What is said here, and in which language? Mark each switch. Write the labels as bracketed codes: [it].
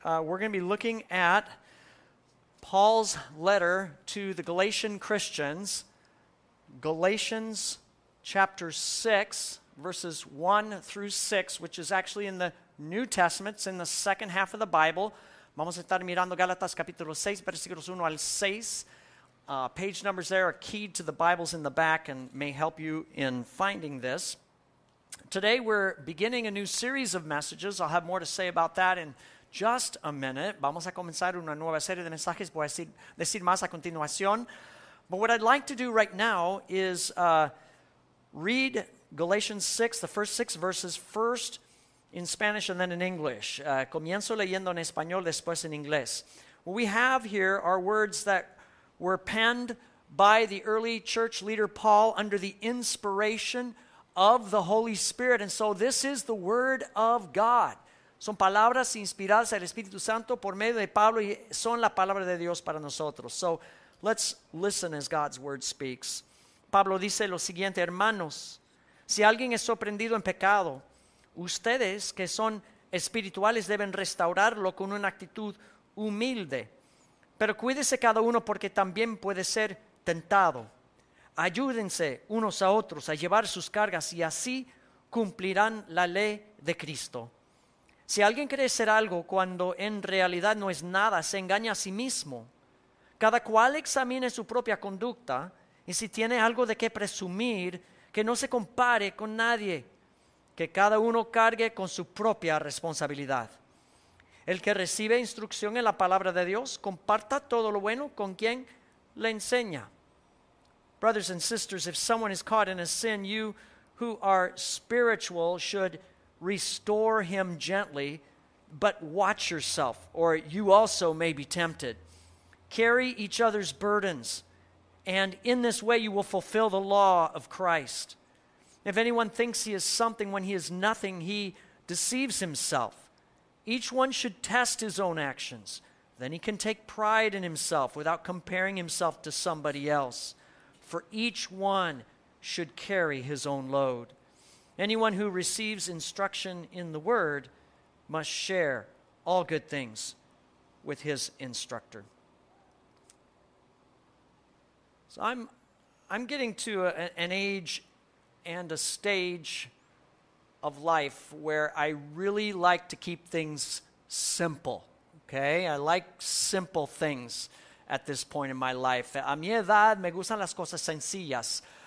[en] We're going to be looking at Paul's letter to the Galatian Christians, Galatians chapter 6, verses 1 through 6, which is actually in the New Testament. It's in the second half of the Bible. [es] Vamos a estar mirando Gálatas capítulo 6, versículos 1 al 6. [en] Page numbers there are keyed to the Bibles in the back and may help you in finding this. Today we're beginning a new series of messages. I'll have more to say about that in just a minute. [es] Vamos a comenzar una nueva serie de mensajes. Voy a decir más a continuación. [en] But what I'd like to do right now is read Galatians 6, the first six verses, first in Spanish and then in English. [es] Comienzo leyendo en español, después en inglés. [en] What we have here are words that were penned by the early church leader Paul under the inspiration of the Holy Spirit. And so this is the Word of God. [es] Son palabras inspiradas al Espíritu Santo por medio de Pablo y son la palabra de Dios para nosotros. [en] So let's listen as God's Word speaks. [es] Pablo dice lo siguiente, hermanos, si alguien es sorprendido en pecado, ustedes que son espirituales deben restaurarlo con una actitud humilde. Pero cuídese cada uno porque también puede ser tentado. Ayúdense unos a otros a llevar sus cargas y así cumplirán la ley de Cristo. Si alguien cree ser algo cuando en realidad no es nada, se engaña a sí mismo. Cada cual examine su propia conducta y si tiene algo de qué presumir, que no se compare con nadie, que cada uno cargue con su propia responsabilidad. El que recibe instrucción en la palabra de Dios, comparta todo lo bueno con quien le enseña. [en] Brothers and sisters, if someone is caught in a sin, you who are spiritual should restore him gently, but watch yourself, or you also may be tempted. Carry each other's burdens, and in this way you will fulfill the law of Christ. If anyone thinks he is something when he is nothing, he deceives himself. Each one should test his own actions. Then he can take pride in himself without comparing himself to somebody else. For each one should carry his own load. Anyone who receives instruction in the word must share all good things with his instructor. So I'm getting to an age and a stage of life where I really like to keep things simple, okay? I like simple things at this point in my life. [es] A mi edad, me gustan las cosas sencillas.